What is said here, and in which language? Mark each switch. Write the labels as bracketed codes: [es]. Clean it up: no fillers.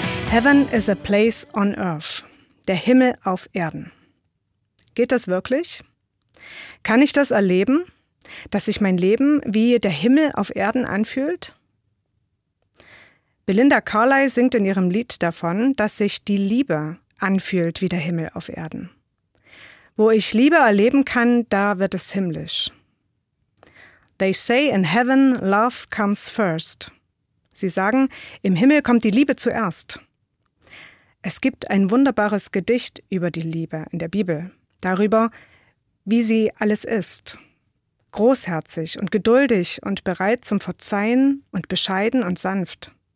[en] Heaven is a place on earth. [de] Der Himmel auf Erden. Geht das wirklich? Kann ich das erleben, dass sich mein Leben wie der Himmel auf Erden anfühlt? Belinda Carlisle singt in ihrem Lied davon, dass sich die Liebe anfühlt wie der Himmel auf Erden. Wo ich Liebe erleben kann, da wird es himmlisch. [en] They say in heaven love comes first. [de] Sie sagen, im Himmel kommt die Liebe zuerst. Es gibt ein wunderbares Gedicht über die Liebe in der Bibel, darüber, wie sie alles ist. Großherzig und geduldig und bereit zum Verzeihen und bescheiden und sanft.